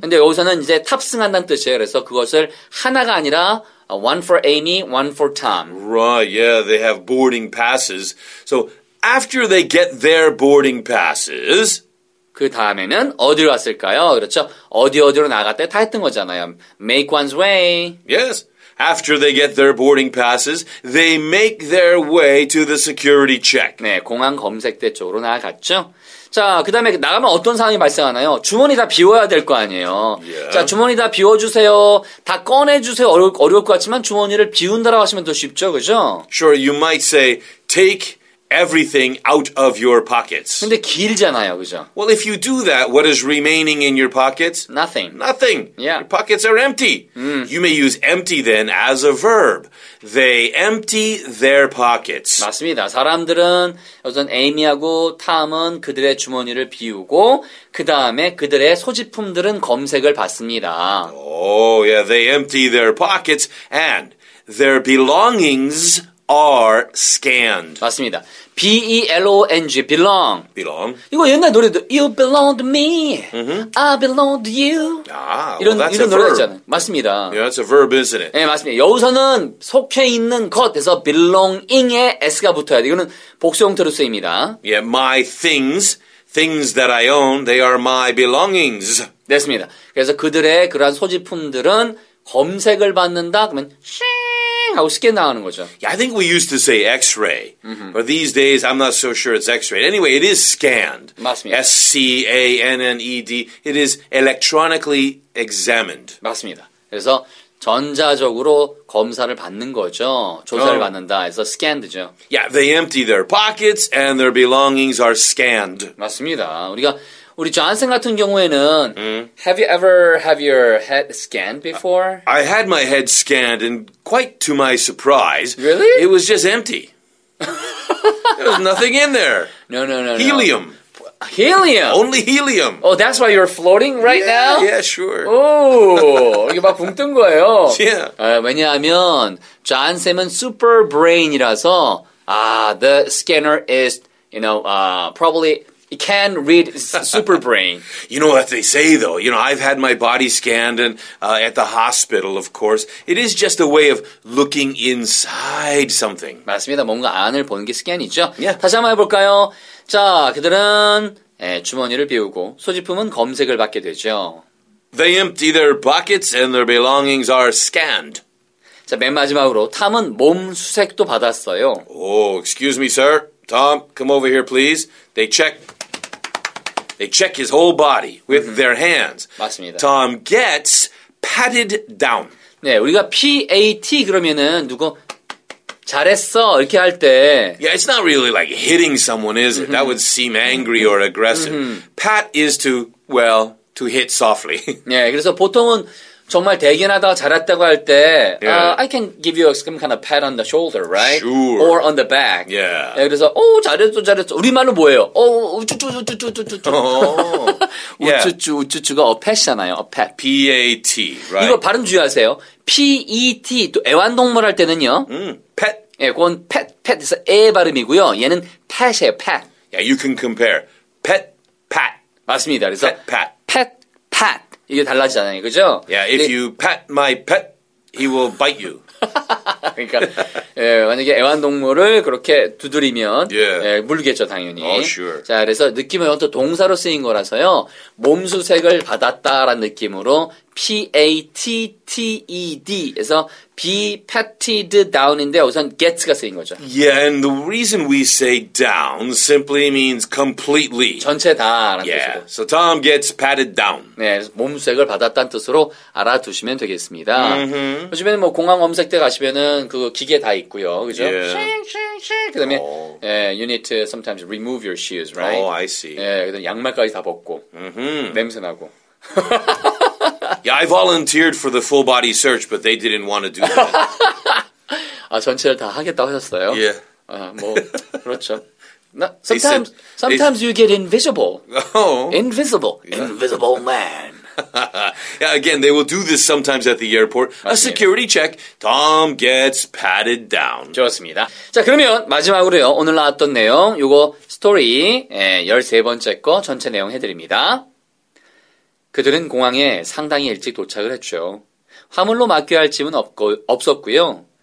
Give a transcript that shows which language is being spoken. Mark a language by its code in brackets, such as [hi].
[ko] 근데 여기서는 이제 탑승한다는 뜻이에요. 그래서 그것을 하나가 아니라 [en] one for Amy, one for Tom. Right. Yeah, they have boarding passes. So. After they get their boarding passes, [ko] 그 다음에는 어디로 갔을까요? 그렇죠? 어디로 나갔대? 다 했던 거잖아요. [en] Make one's way. Yes. After they get their boarding passes, they make their way to the security check. [ko] 네, 공항 검색대 쪽으로 나갔죠. 자, 그 다음에 나가면 어떤 상황이 발생하나요? 주머니 다 비워야 될 거 아니에요. [en] Yeah. [ko] 자, 주머니 다 비워주세요. 다 꺼내주세요. 어려울 것 같지만 주머니를 비운다라고 하시면 더 쉽죠, 그죠? [en] Sure, you might say, take everything out of your pockets. [ko] 근데 길잖아요, 그죠? [en] Well, if you do that, what is remaining in your pockets? Nothing. Nothing. Yeah. Your pockets are empty. Mm. You may use empty then as a verb. They empty their pockets. [ko] 맞습니다. 사람들은 우선 에이미하고 탐은 그들의 주머니를 비우고 그 다음에 그들의 소지품들은 검색을 받습니다. [en] Oh, yeah. They empty their pockets and their belongings. Are scanned. 맞습니다. B-E-L-O-N-G. Belong. Belong. [ko] 이거 옛날 노래도 [en] You belong to me. Mm-hmm. I belong to you. [ko] 아, 이런, [en] well, that's [ko] 이런 [en] a verb. [ko] 있잖아요. 맞습니다. [en] Yeah, that's a verb, isn't it? [ko] 네, 맞습니다. 여기서는 속해 있는 것에서 belonging에 S가 붙어야 돼요. 이거는 복수 형태로 쓰입니다. [en] Yeah, my things. Things that I own. They are my belongings. [ko] 됐습니다. 그래서 그들의 그러한 소지품들은 검색을 받는다. 그러면 하고 쉽게 나오는 거죠. [en] Yeah, I think we used to say X-ray, mm-hmm. but these days I'm not so sure it's X-ray. Anyway, it is scanned. [ko] 맞습니다. [en] S-C-A-N-N-E-D. It is electronically examined. [ko] 맞습니다. 그래서 전자적으로 검사를 받는 거죠. 조사를 oh. 받는다. 그래서 scanned죠. [en] Yeah, they empty their pockets and their belongings are scanned. [ko] 맞습니다. 우리 존슨 같은 경우에는 mm. [en] Have you ever have your head scanned before? I had my head scanned and quite to my surprise. Really? It was just empty. There was nothing in there. No, no, no. Helium. No. Helium. Only helium. Oh, that's why you're floating right yeah, now? Yeah, sure. [ko] Oh, 이게 막 붕 뜬 거예요. [en] Yeah. [ko] 왜냐하면 존슨은 super brain이라서 [en] the scanner is, you know, probably You can read super brain. You know what they say, though. You know, I've had my body scanned and at the hospital, of course. It is just a way of looking inside something. [ko] 맞습니다. 뭔가 안을 보는 게 스캔이죠. [en] Yeah. [ko] 다시 한번 해볼까요? 자, 그들은 주머니를 비우고 소지품은 검색을 받게 되죠. [en] They empty their pockets and their belongings are scanned. [ko] 자, 맨 마지막으로 탐은 몸수색도 받았어요. [en] Oh, excuse me, sir. Tom, come over here, please. They check his whole body with mm-hmm. their hands. [ko] 맞습니다. [en] Tom gets patted down. [ko] 네, 우리가 PAT 그러면은 누구 잘했어 이렇게 할 때 [en] Yeah, it's not really like hitting someone, is it? That would seem angry or aggressive. Pat is to, well, to hit softly. [ko] 네, 그래서 보통은 정말 대견하다, 잘했다고 할 때 [en] I can give you some kind of pat on the shoulder, right? Sure. Or on the back. Yeah. [ko] 네, 그래서 오, 잘했어, 잘했어. 우리말은 뭐예요? 오, 우쭈쭈쭈쭈쭈쭈쭈. 우쭈쭈, 우쭈쭈가 a pat잖아요, a pat. [en] P-A-T, right? [ko] 이거 발음 주의하세요. P-E-T, 또 애완동물 할 때는요. [en] Pet. [ko] 예, 네, 그건 pat, pat에서 A 발음이고요. 얘는 pat이에요, pat. [en] Yeah, you can compare pet, pat. [ko] 맞습니다. 그래서 [en] pet, pat. Pet, pat. [ko] 이게 달라지잖아요, 그죠? [en] Yeah, if you pat my pet, he will bite you. [ko] 그러니까, 예, 만약에 애완동물을 그렇게 두드리면, [en] yeah. [ko] 예, 물겠죠, 당연히. [en] Oh, sure. [ko] 자, 그래서 느낌은 또 동사로 쓰인 거라서요, 몸수색을 받았다라는 느낌으로 P-A-T-T-E-D에서 be patted down인데 우선 get가 쓰인 거죠. [en] Yeah, and the reason we say down simply means completely. [ko] 전체 다라는 [en] yeah. Yeah, so Tom gets patted down. [ko] 네, 몸수색을 받았다는 뜻으로 알아두시면 되겠습니다. Mm-hmm. 요즘에는 뭐 공항 검색대 가시면은 그 기계 다 있고요, 그죠? [en] Yeah. [ko] 그다음에 oh. [en] 예, you need to sometimes remove your shoes, right? Oh, I see. [ko] 예, 그다음 양말까지 다 벗고 mm-hmm. 냄새 나고. [en] Yeah, I volunteered for the full body search, but they didn't want to do that. [ko] 아, 전체를 다 하겠다고 하셨어요? [en] Yeah. [ko] 아, 뭐, 그렇죠. [en] Sometimes you get invisible. Oh. Invisible. Yeah. Invisible man. Yeah, again, they will do this sometimes at the airport. A security check. Tom gets patted down. [ko] 좋습니다. 자, 그러면 마지막으로요. 오늘 나왔던 내용, 요거 스토리 예, 13번째 거 전체 내용 해드립니다. 그들은 공항에 상당히 일찍 도착을 했죠. 화물로 맡겨야 할 짐은 없었고요.